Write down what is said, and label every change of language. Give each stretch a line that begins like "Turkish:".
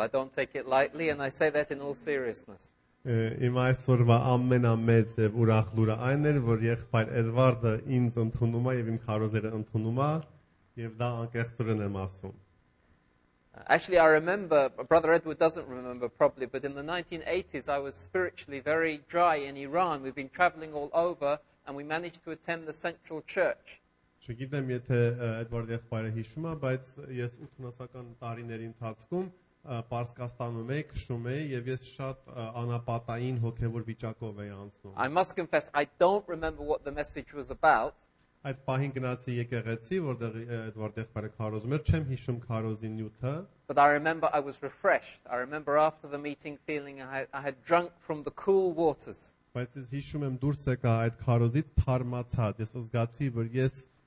English: I don't take it lightly, and I say that in all seriousness. Actually, I remember, Brother Edward doesn't remember probably, but in the 1980s, I was spiritually very dry in Iran. We've been traveling all over, and we managed to attend the Central Church.
Armenian: Չգիտեմ եթե Էդվարդ եղբայրը հիշում է, բայց ես 80-ական տարիների ընթացքում Պարսկաստանում եմ քշում եւ ես շատ անապատային հոգեվոր վիճակով էի անցնում.
English: I must confess I don't remember what the message was about.
Armenian: Այդ պահին գնացի եկեղեցի, որտեղ Էդվարդ եղբայրը քարոզում էր, չեմ հիշում քարոզի նյութը.
English: But I remember I was refreshed. I remember after the meeting feeling I had drunk from the cool waters.
Armenian: Բայց ես հիշում եմ դուրս եկա այդ քարոզից թարմացած, ես զգացի, որ ես